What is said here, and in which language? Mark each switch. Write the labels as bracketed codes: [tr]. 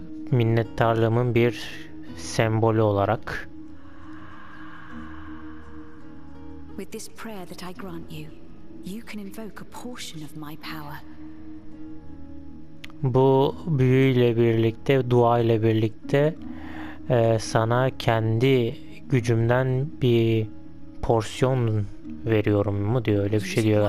[tr] Minnettarlığımın bir sembolü olarak. [en] With this prayer that I grant you, you can invoke a portion of my power. [tr] Bu büyüyle birlikte, dua ile birlikte sana kendi gücümden bir porsiyon veriyorum mu diyor, öyle bir şey diyor